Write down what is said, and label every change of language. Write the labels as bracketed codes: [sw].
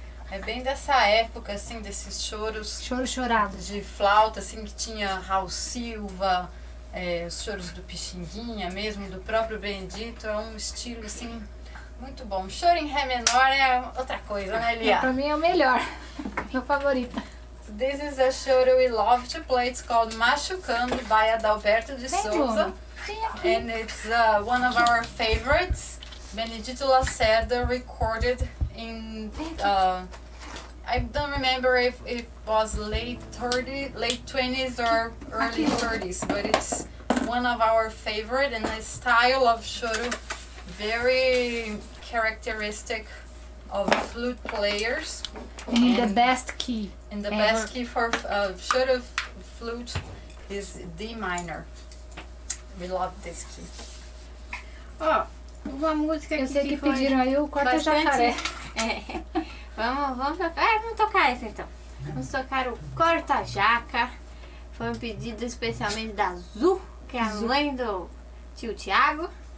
[pt] É bem dessa época, assim, desses choros... Choro chorado. De flauta, assim, que tinha Raul Silva... É, os choros do Pixinguinha mesmo, do próprio Benedito, é um estilo assim, muito bom. Choro em Ré menor é outra coisa, né, Lia? Pra mim é o melhor, meu favorito. [en] This is a choro we love to play, it's called Machucando, by Adalberto de Souza. And it's one of our favorites, Benedito Lacerda, recorded in... I don't remember if it was late 20s or early 30s, but it's one of our favorite and the style of choro, very characteristic of flute players. In the best key. In the best key for choro flute is D minor. We love this key. [pt] Oh, uma música eu sei que pediram aí o corta jacaré. Vamos tocar esse então. Vamos tocar o corta-jaca. Foi um pedido especialmente da Zu, que é a mãe do tio Thiago.